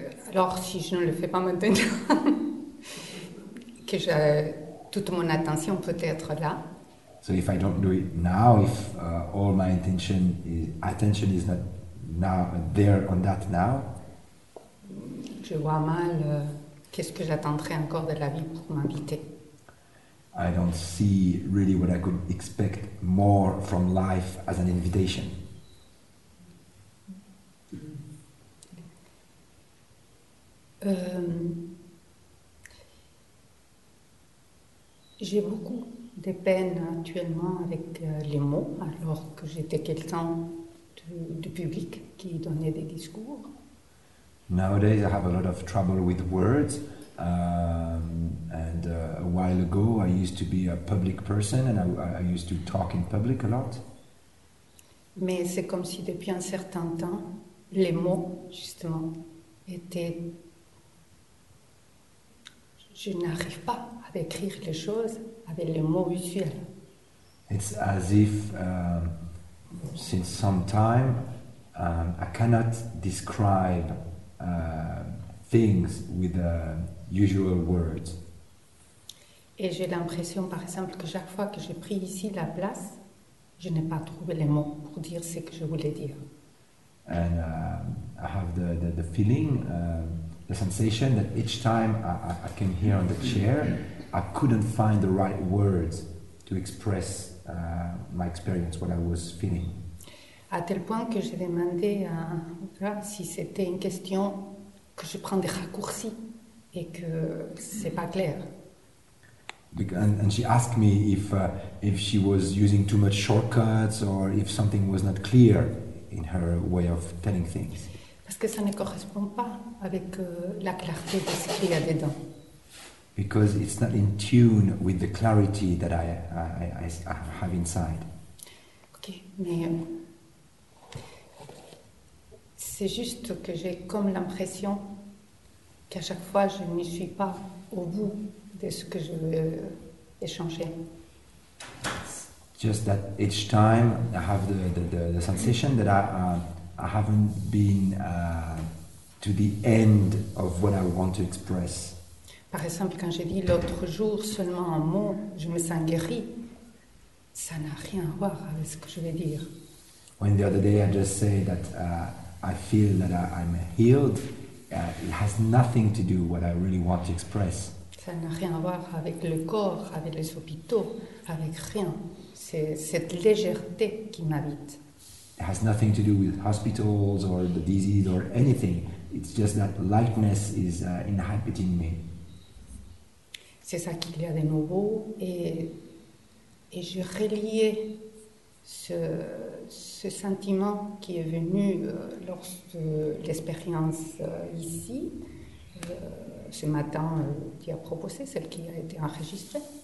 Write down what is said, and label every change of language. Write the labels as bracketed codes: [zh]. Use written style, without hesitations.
[fr] Alors, si je ne le fais pas maintenant, que toute mon attention peut être là. [en] So if I don't do it now, if all my attention is not now there on that now, [fr] je vois mal qu'est-ce que j'attendrai encore de la vie pour m'inviter. [en] I don't see really what I could expect more from life as an invitation. [fr] J'ai beaucoup de peine actuellement avec les mots, alors que j'étais quelqu'un de public qui donnait des discours. [en] Nowadays, I have a lot of trouble with words. A while ago, I used to be a public person and I used to talk in public a lot. [fr] Mais c'est comme si depuis un certain temps, les mots, justement, étaient... Je n'arrive pas à écrire les choses avec les mots usuels. [en] It's as if, since some time, I cannot describe things with usual words. [fr] Et j'ai l'impression, par exemple, que chaque fois que j'ai pris ici la place, je n'ai pas trouvé les mots pour dire ce que je voulais dire. [en] And I have the feeling, the sensation that each time I came here on the chair, I couldn't find the right words to express my experience, what I was feeling. [fr] À tel point que j'ai demandé si c'était une question que je prends des raccourcis et que c'est pas clair. [en] And she asked me if she was using too much shortcuts or if something was not clear in her way of telling things. [fr] Parce que ça ne correspond pas avec la clarté de ce qu'il y a dedans. [en] Because it's not in tune with the clarity that I have inside. [fr] Ok, mais c'est juste que j'ai comme l'impression qu'à chaque fois je n'y suis pas au bout de ce que je veux échanger. [en] Just that each time I have the sensation that I haven't been to the end of what I want to express. [fr] Par exemple, quand j'ai dit l'autre jour seulement un mot, je me sens guéri. Ça n'a rien à voir avec ce que je vais dire. [en] When the other day I just say that I feel that I'm healed, it has nothing to do with what I really want to express. [fr] Ça n'a rien à voir avec le corps, avec les hôpitaux, avec rien. C'est cette légèreté qui m'habite. [en] It has nothing to do with hospitals or the disease or anything. It's just that lightness is inhabiting me. [fr] C'est ça qu'il y a de nouveau et je reliais ce sentiment qui est venu lors de l'expérience ici, ce matin qui a proposé, celle qui a été enregistrée.